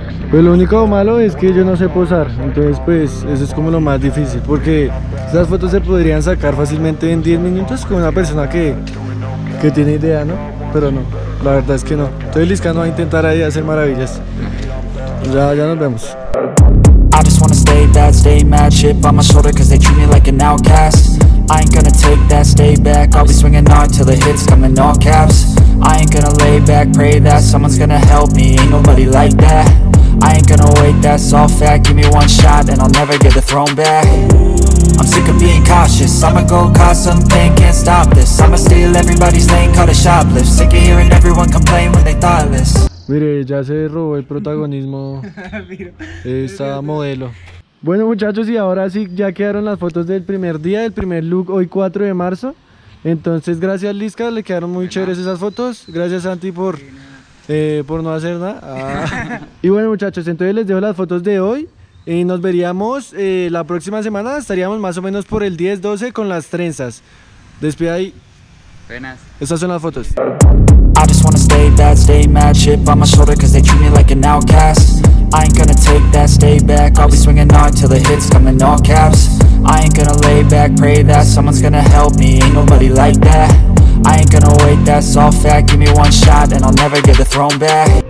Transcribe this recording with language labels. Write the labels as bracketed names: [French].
[Spanish] Pues lo único malo es que yo no sé posar, entonces pues eso es como lo más difícil, porque esas fotos se podrían sacar fácilmente en 10 minutos con una persona que tiene idea, ¿no? Pero no, la verdad es que no. Entonces Liscano va a intentar ahí hacer maravillas. Ya, ya nos vemos. [English] I just wanna stay bad, stay mad, chip on my shoulder, cause they treat me like an outcast. I ain't gonna take that, stay back, I'll be swinging hard till the hits come in all caps. I ain't gonna lay back, pray that someone's gonna help me, ain't nobody like that. I ain't gonna wait, that's all fact, give me one shot and I'll never get the throne back. I'm sick of being cautious, I'ma go cause something, can't stop this. I'ma steal everybody's lane, call it shoplift. Sick of hearing everyone complain when they thoughtless. [Spanish] Mire, ya se robó el protagonismo esta modelo. Bueno, muchachos, y ahora sí, ya quedaron las fotos del primer día, del primer look, hoy 4 de marzo. Entonces, gracias, Lisca, le quedaron muy chéveres esas fotos. Gracias, Santi, por no hacer nada. Ah. Y bueno, muchachos, entonces les dejo las fotos de hoy. Y nos veríamos la próxima semana. Estaríamos más o menos por el 10-12 con las trenzas. Despide ahí. Buenas. Estas son las fotos. [English] I just wanna stay bad, stay mad, chip on my shoulder, cause they treat me like an outcast. I ain't gonna take that, stay back, I'll be swinging hard till the hits come in all caps. I ain't gonna lay back, pray that someone's gonna help me, ain't nobody like that. I ain't gonna wait, that's all fact, give me one shot and I'll never get the throne back.